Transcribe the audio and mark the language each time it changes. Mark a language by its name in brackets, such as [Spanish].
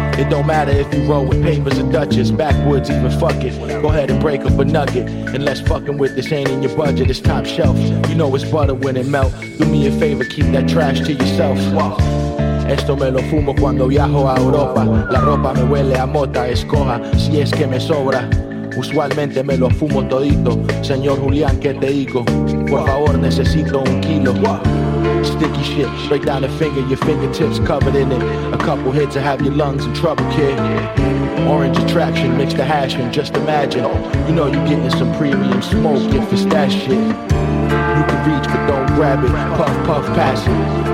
[English] Don't matter if you roll with papers or duchess, backwoods even fuck it, go ahead and break up a nugget, unless fucking with this ain't in your budget, it's top shelf, you know it's butter when it melt, do me a favor, keep that trash to yourself. [Spanish] Esto me lo fumo cuando viajo a Europa, la ropa me huele a mota, escoja, si es que me sobra, usualmente me lo fumo todito, señor Julián, ¿qué te digo? Por favor, necesito un kilo. [English] Sticky shit, straight down the finger, your fingertips covered in it. A couple hits to have your lungs in trouble, kid. Orange attraction, mix the hash and just imagine. You know you're getting some premium smoke if it's that shit. You can reach but don't grab it, puff puff pass it.